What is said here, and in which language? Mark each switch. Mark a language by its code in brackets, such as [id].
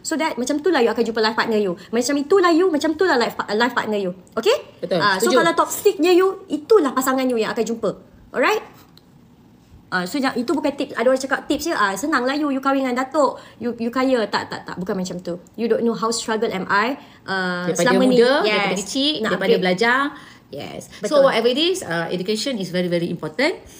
[ms] So that, macam itulah you akan jumpa [en] life partner [ms] you. Macam itulah you, macam itulah life partner you. Okay? Betul. So, kalau toxicnya you, itulah pasangan you yang akan jumpa. Alright? So itu bukan tips. Ada orang cakap tips je, senang lah you kahwin dengan datuk, you kaya. Tak, bukan macam tu. [en] You don't know how struggle am I [ms] daripada muda, daripada kecil, daripada belajar. Yes. Betul. [en] So whatever it is, education is very very important.